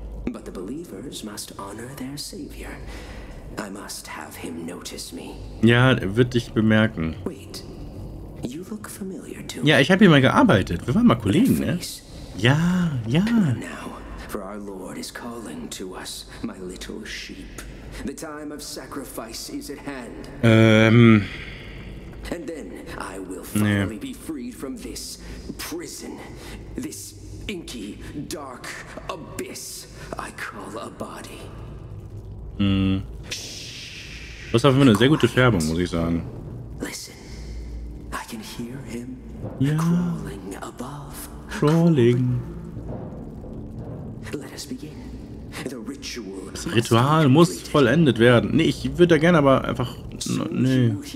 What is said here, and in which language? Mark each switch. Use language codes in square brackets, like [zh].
[en] But the believers must honor their savior. I must have him notice me. [de] Ja, er wird dich bemerken. [en] Wait. You look familiar to [de] me. Ja, ich habe hier mal gearbeitet. Wir waren mal Kollegen, ne? Ja, ja. [en] Now, for our Lord is calling to us, my little sheep. The time of sacrifice is at hand. And then I will finally be freed from this prison, this inky, dark abyss I call a body. [de] Was haben wir eine sehr gute Färbung, muss ich sagen. [en] Listen, I can hear him crawling above. Crawling. Let us begin. The ritual. [de] Das Ritual muss vollendet werden. Nee, ich würde da gerne, aber einfach. Nee.